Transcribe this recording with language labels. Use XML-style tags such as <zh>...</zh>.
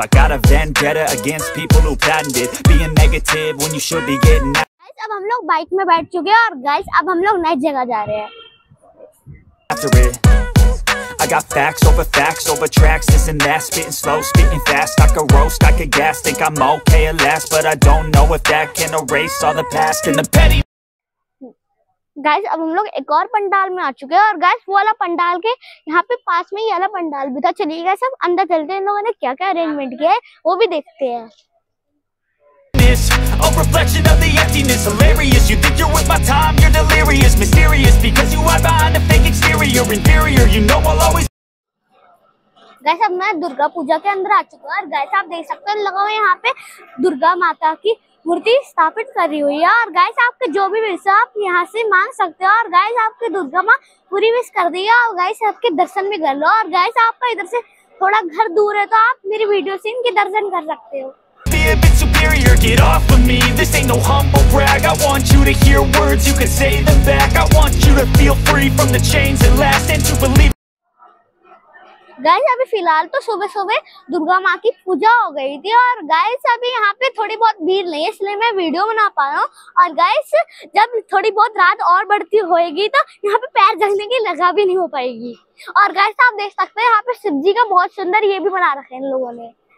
<en>I got a vendetta against people who patented being negative when you should be getting out.</en> <hi>Guys, अब हम लोग bike में बैठ चुके हैं, और गाइस अब हम लोग नई जगह जा रहे हैं।</hi> <en>After it. I got facts over tracks, this and that, spitting slow, spitting fast. I could roast, I could gas, think I'm okay at last, but I don't know if that can erase all the past and the petty.</en> <hi>Guys अब हम लोग एक और पंडाल में आ चुके हैं, और guys वो वाला पंडाल के यहाँ पे पास में ही वाला पंडाल भी था। चलिए गाइस अब अंदर चलते हैं, इन्होंने क्या क्या अरेंजमेंट किया है वो भी देखते हैं।</hi> <en>A reflection of the emptiness, hilarious. You think you're with my time, you're delirious, mysterious, because you are behind a fake exterior, inferior. You know I'll always.</en> <hi>Guys अब मैं दुर्गा पूजा के अंदर आ चुका हूँ, और गाइस आप देख सकते हैं लगा हुआ यहाँ पे दुर्गा माता की मूर्ति स्थापित करी हुई है। और गाइस आपके जो भी विश आप यहाँ से मांग सकते हो। और गाइस आपके दुर्गा माँ पूरी विश कर दी है, और गाइस आपके दर्शन भी कर लो। और गाइस आपका इधर से थोड़ा घर दूर है तो आप मेरी वीडियो से इनके दर्शन कर सकते हो।</hi> <en>A bit superior, get off of me. This ain't no humble brag. I want you to hear words, you can say them back. I want you to feel free from the chains at last and to believe.</en> <hi>Guys अभी फिलहाल तो सुबह सुबह दुर्गा माँ की पूजा हो गई थी, और गाइस अभी यहाँ पे थोड़ी बहुत भीड़ नहीं है इसलिए मैं वीडियो बना पा रहा हूँ। और गाइस जब थोड़ी बहुत रात और बढ़ती होएगी तो यहाँ पे पैर जलने की लगा भी नहीं हो पाएगी। और गाइस आप देख सकते हैं यहाँ पे शिव जी का बहुत सुंदर ये भी बना रखा है इन लोगों ने।</hi>